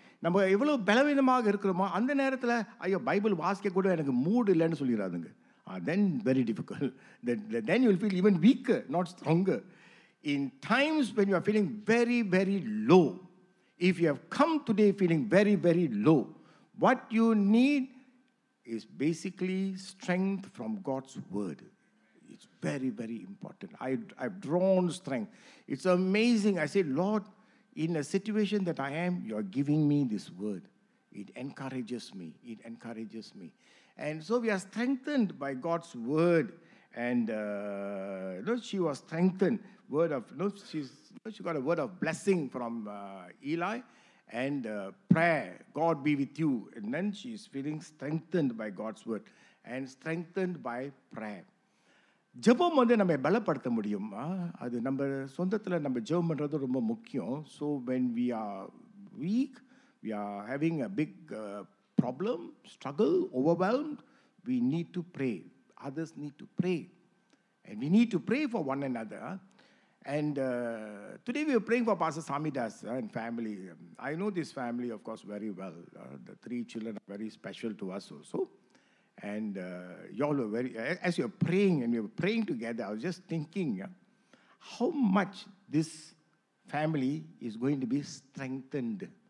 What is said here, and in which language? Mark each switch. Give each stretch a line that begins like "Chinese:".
Tamil: நம்ம எவ்வளோ பலவீனமாக இருக்கிறோமோ அந்த நேரத்தில் ஐயோ பைபிள் வாசிக்க கூட எனக்கு மூட் இல்லைன்னு சொல்லிடுறாதுங்க.
English: Then very difficult. Then you will feel even weaker, not stronger. In times when you are feeling very, very low, if you have come today feeling very, very low, what you need is basically strength from God's word. It's very, very important. I've drawn strength. It's amazing. I say, Lord, in a situation that I am, you are giving me this word. It encourages me. And so we are strengthened by God's word. She was strengthened. She got a word of blessing from Eli and prayer, God be with you. And then she's feeling strengthened by God's word and strengthened by prayer.
Tamil: ஜபம் வந்து நம்ம பலப்படுத்த முடியுமா? அது நம்ம சொந்தத்தில் நம்ம ஜபம் பண்ணுறது ரொம்ப முக்கியம்.
English: So when we are weak, we are having a big problem, struggle, overwhelmed, we need to pray. Others need to pray. And we need to pray for one another. Today we are praying for Pastor Samidas and family. I know this family, of course, very well. The three children are very special to us also. As you are praying and we are praying together, I was just thinking how much this family is going to be strengthened.